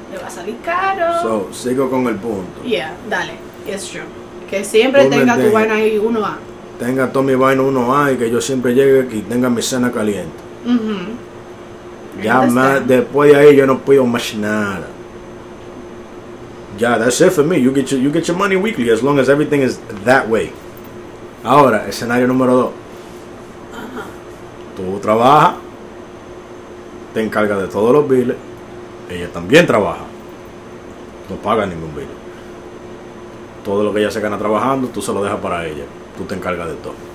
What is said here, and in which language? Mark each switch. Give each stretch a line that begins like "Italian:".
Spanish: Le va a salir caro. So, sigo con el punto. Yeah, dale,
English: it's true.
Spanish: Que siempre tenga tu vaina ahí 1A. Tenga todo mi vaina 1A y que yo siempre llegue aquí y tenga mi cena caliente. Ya más, después de ahí yo no puedo más nada.
English: Ya, yeah, that's it for me. You get your money weekly as long as everything is that way.
Spanish: Ahora, escenario número 2. Tú trabajas, te encargas de todos los biles, ella también trabaja, no paga ningún bill. Todo lo que ella se gana trabajando, tú se lo dejas para ella, tú te encargas de todo.